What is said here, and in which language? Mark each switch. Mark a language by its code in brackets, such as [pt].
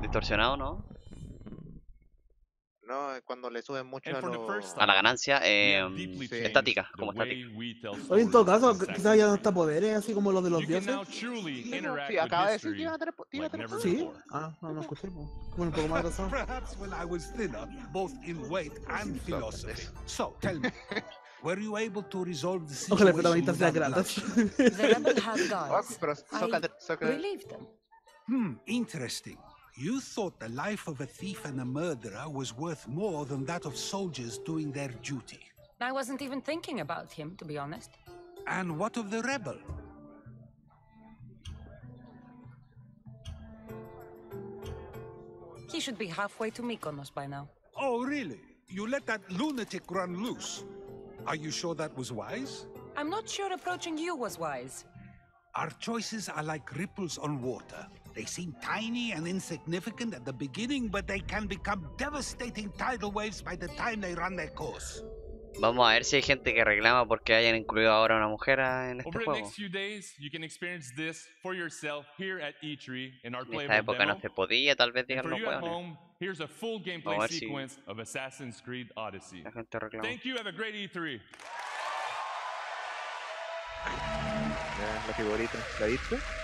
[es] Distorsionado, ¿no? No, cuando le suben mucho a, lo... a la ganancia, sí. Estática, como estática. Oye, en todo caso, quizás ya no está poderes, así como los de los dioses. Sí, no, sí, acaba de decir que iba a tener poderes. Sí, ah, no escuché. Bueno, un poco más de razón. [en] Perhaps when I was thinner, both in weight and philosophy. So, tell me. Were you able to resolve the situation? [es] Ojalá, pero ahorita sea gratis. [en] The rebel had gods. I relieved them. Interesting. You thought the life of a thief and a murderer was worth more than that of soldiers doing their duty. I wasn't even thinking about him, to be honest. And what of the rebel? He should be halfway to Mykonos by now. Oh, really? You let that lunatic run loose? Are you sure that was wise? I'm not sure approaching you was wise. Our choices are like ripples on water. They seem tiny and insignificant at the beginning, but they can become devastating tidal waves by the time they run their course. [es] Vamos a ver si hay gente que reclama porque hayan incluido ahora una mujer en este [en] Over [es] juego. [en] Over the next few days, you can experience this for yourself here at E3 in our playable demo. [es] En esta época no se podía, tal vez digan no puedan. [en] Home, here's a full gameplay sequence of Assassin's Creed Odyssey. [es] La gente reclama. [en] Thank you, have a great E3. [es] Ya, la figurita. ¿La viste?